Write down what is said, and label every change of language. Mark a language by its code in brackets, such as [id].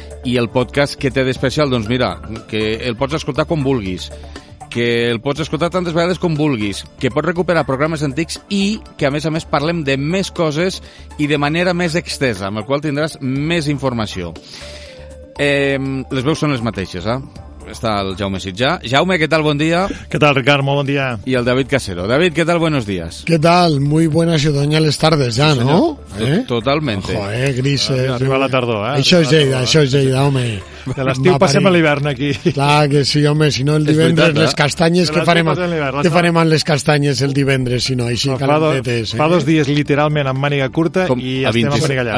[ca] I el podcast que té d'especial, doncs mira, que el pots escoltar com vulguis, que el pots escoltar tantes vegades com vulguis, que pots recuperar programes antics i que, a més, parlem de més coses i de manera més extensa, amb el qual tindràs més informació. Les veus són les mateixes, Està el Jaume Sitjà. Jaume, què tal? Bon dia. Què tal, Ricard? Molt bon dia. I el David Casero. David, què tal? [es] Buenos días. [ca] Què tal? [es] Muy buenas y doñales tardes, ya, sí, ¿no? [ca] Totalmente. Joder, gris. Arriba la tardor, Això és Lleida, això és Lleida, home. De l'estiu passem a l'hivern aquí. Clar que sí, home, si no el divendres les castanyes, què farem amb les castanyes el divendres, si no, així calentetes. Fa dos dies literalment amb màniga curta i estem a manigallar.